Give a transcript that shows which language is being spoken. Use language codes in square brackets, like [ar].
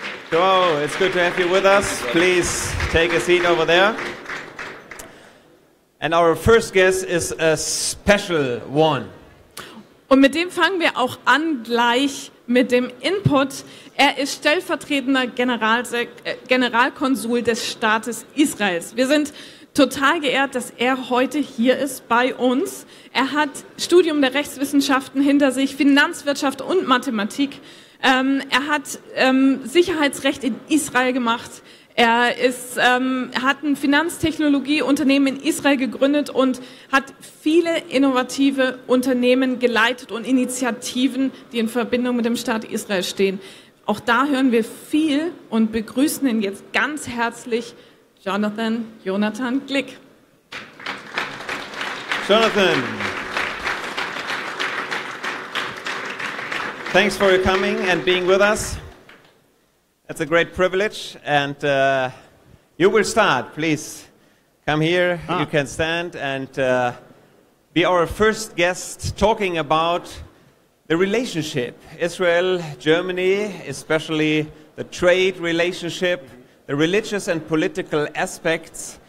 [en] João, it's good to have you with us. Please take a seat over there. And our first guest is a special one. [de] Und mit dem fangen wir auch an gleich mit dem Input. Er ist stellvertretender Generalkonsul des Staates Israels. Wir sind total geehrt, dass er heute hier ist bei uns. Er hat Studium der Rechtswissenschaften hinter sich, Finanzwirtschaft und Mathematik. Er hat Sicherheitsrecht in Israel gemacht. Er ist, hat ein Finanztechnologieunternehmen in Israel gegründet und hat viele innovative Unternehmen geleitet und Initiativen, die in Verbindung mit dem Staat Israel stehen. Auch da hören wir viel und begrüßen ihn jetzt ganz herzlich, Jonathan Glick. [en] Jonathan, thanks for your coming and being with us. It's a great privilege and you will start. Please come here, you can stand and be our first guest talking about the relationship, Israel-Germany, especially the trade relationship, the religious and political aspects.